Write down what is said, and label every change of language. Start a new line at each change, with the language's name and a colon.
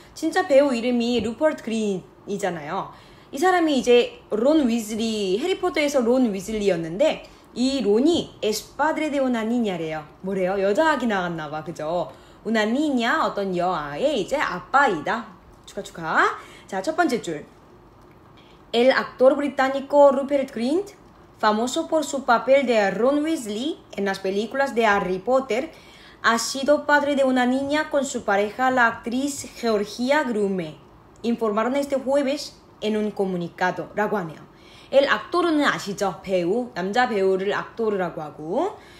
Korean: 진짜 배우 이름이 루퍼트 그린이잖아요. 이 사람이 이제 론 위즐리, 해리포터에서 론 위즐리였는데 이 론이
Spanish: es padre de una niña
Korean: 래요. 뭐래요? 여자아기 나왔나봐, 그죠?
Spanish: una niña,
Korean: 어떤 여아의 이제 아빠이다. 축하 축하. 자, 첫 번째 줄.
Spanish: El actor británico Rupert Grint, famoso por su papel de Ron Weasley en las películas de Harry Potter, ha sido padre de una niña con su pareja, la actriz Georgia Grume. Informaron este jueves en un comunicado.
Korean: 라고 하네요. El actor은 아시죠? 배우, 남자 배우를 actor라고 하고.